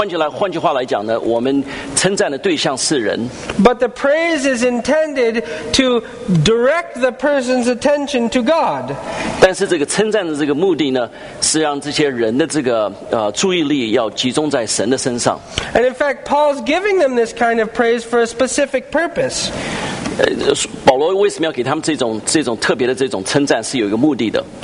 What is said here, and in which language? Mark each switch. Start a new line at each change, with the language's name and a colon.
Chinese: 换句话来讲呢，我们称赞的对象是人。
English: But the praise is intended to direct the person's attention to God.
Chinese: 但是这个称赞的这个目的呢，是让这些人的这个注意力要集中在神的身上。
English: And in fact, Paul's giving them this kind of praise for a specific purpose.
Chinese: 保罗为什么要给他们这种特别的这种称赞，是有一个目的的。